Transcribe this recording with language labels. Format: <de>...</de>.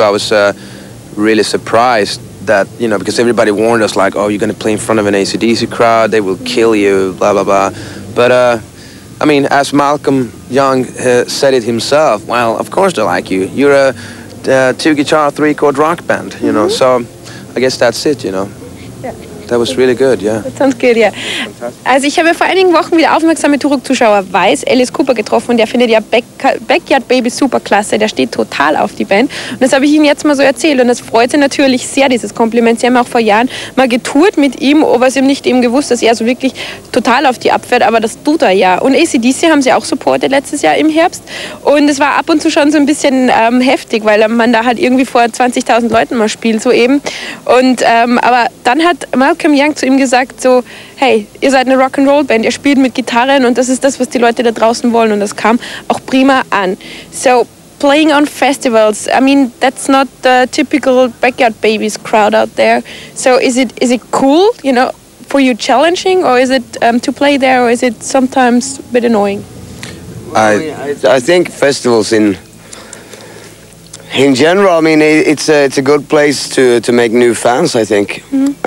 <en>I was really surprised that, you know, because everybody warned us, like, oh, you're going to play in front of an AC/DC crowd, they will kill you, blah, blah, blah. But, I mean, as Malcolm Young said it himself, well, of course they like you. You're a two-guitar, three-chord rock band, you know, so... I guess that's it, you know. Yeah. That was really good, yeah. That sounds good, yeah.</en> <de>Also ich habe vor einigen Wochen, wie der aufmerksame Turok-Zuschauer weiß, Alice Cooper getroffen und der findet ja Backyard Babies super klasse. Der steht total auf die Band. Und das habe ich ihm jetzt mal so erzählt und das freut sie natürlich sehr, dieses Kompliment. Sie haben auch vor Jahren mal getourt mit ihm, aber sie haben nicht eben gewusst, dass er so wirklich total auf die abfährt, aber das tut er ja. Und AC/DC haben sie auch supportet letztes Jahr im Herbst und es war ab und zu schon so ein bisschen heftig, weil man da halt irgendwie vor 20.000 Leuten mal spielt, so eben. Und aber dann hat Malcolm Young zu ihm gesagt so, hey, ihr seid eine Rock'n'Roll-Band, ihr spielt mit Gitarren und das ist das, was die Leute da draußen wollen und das kam auch prima an.</de> <en>So, playing on festivals, I mean, that's not the typical Backyard Babies crowd out there. So is it cool, you know, for you challenging or is it to play there or is it sometimes a bit annoying? I think festivals in general, I mean, it's a good place to make new fans, I think. Mm-hmm.</en>